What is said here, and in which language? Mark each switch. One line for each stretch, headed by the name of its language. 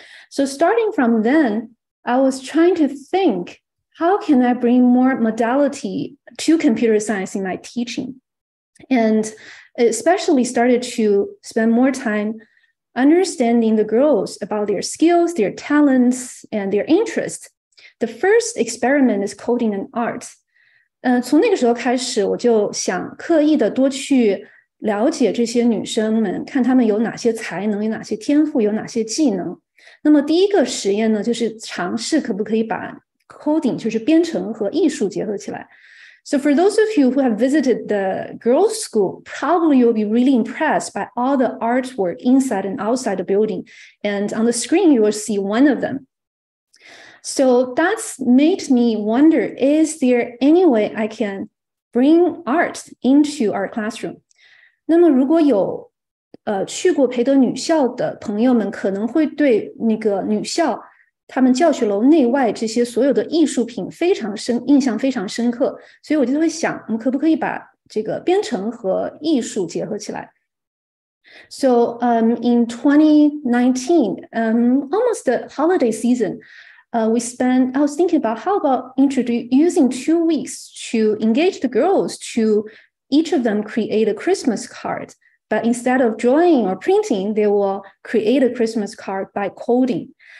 English: So starting from then, I was trying to think, how can I bring more modality to computer science in my teaching? And especially started to spend more time understanding the girls about their skills, their talents, and their interests. The first experiment is coding and art.
Chinese: 从那个时候开始，我就想刻意的多去了解这些女生们，看她们有哪些才能，有哪些天赋，有哪些技能。那么第一个实验呢，就是尝试可不可以把 coding 就是编程和艺术结合起来。
English: So for those of you who have visited the girls' school, probably you'll be really impressed by all the artwork inside and outside the building. And on the screen, you will see one of them. So that's made me wonder, is there any way I can bring art into our classroom?
Chinese: 那么如果有 去过培德女校的朋友们可能会对那个女校他们教学楼内外这些所有的艺术品非常深印象非常深刻，所以我就会想，我们可不可以把这个编程和艺术结合起来？
English: So in 2019, almost the holiday season, I was thinking about how about using 2 weeks to engage the girls to each of them create a Christmas card. But instead of drawing or printing, they will create a Christmas card by coding.